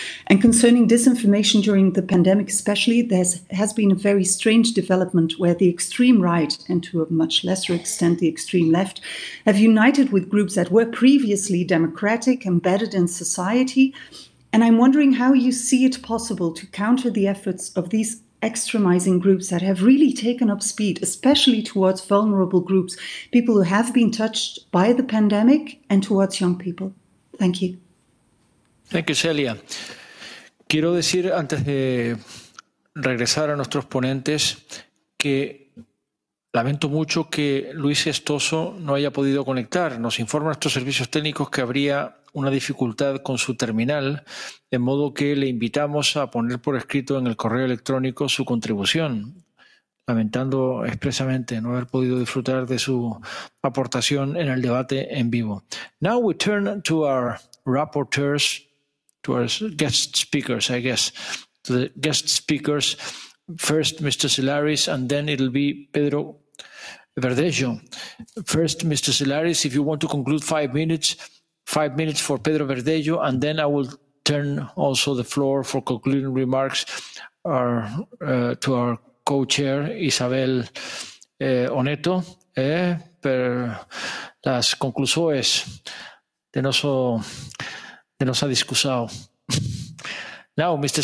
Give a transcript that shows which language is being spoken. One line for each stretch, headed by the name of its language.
English: And concerning disinformation during the pandemic especially, there has been a very strange development where the extreme right, and to a much lesser extent the extreme left, have united with groups that were previously democratic, embedded in society. And I'm wondering how you see it possible to counter the efforts of these extremizing groups that have really taken up speed, especially towards vulnerable groups, people who have been touched by the pandemic, and towards young people. Thank you. Thank you, Celia.
Spanish: Quiero decir, antes de regresar a nuestros ponentes, que lamento mucho que Luis Estoso no haya podido conectar. Nos informan nuestros servicios técnicos que habría una dificultad con su terminal, de modo que le invitamos a poner por escrito en el correo electrónico su contribución, lamentando expresamente no haber podido disfrutar de su aportación en el debate en vivo.
English: Now we turn to our rapporteurs, to our guest speakers, I guess, to the guest speakers. First, Mr. Sileras, and then it'll be Pedro Verdejo. First, Mr. Sileras, if you want to conclude 5 minutes, 5 minutes for Pedro Verdejo, and then I will turn also the floor for concluding remarks to our co-chair, Isabel Oneto,
Spanish: per las conclusiones de nuestra discusión.
English: Now, Mr.